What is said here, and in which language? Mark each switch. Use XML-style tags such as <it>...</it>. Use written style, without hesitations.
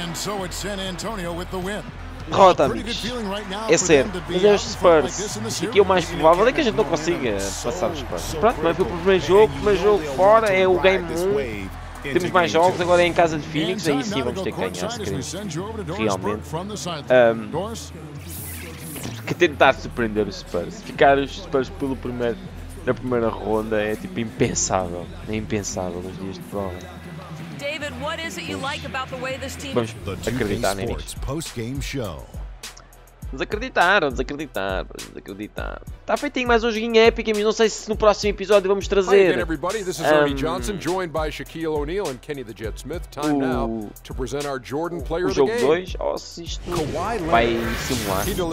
<en>And so it's San Antonio with the win.</en> <pt>Derrota, amigos. É sério. Mas é os Spurs. E que é o mais provável é que a gente não consiga passar os Spurs. Pronto, mas foi o primeiro jogo fora, é o Game 1. Temos mais jogos, agora é em casa de Phoenix, aí sim vamos ter que ganhar, se queremos. Realmente. Que tentar surpreender os Spurs. Ficar os Spurs pelo primeiro, na primeira ronda é tipo impensável. É impensável nos dias de prova.</pt> <en>David, what is it you like about the way this team...</en> <pt>Vamos acreditar, né, amigos? Desacreditaram. Está feitinho mais um joguinho épico, mas não sei se no próximo episódio vamos trazer. O jogo 2. Vai simular.</pt>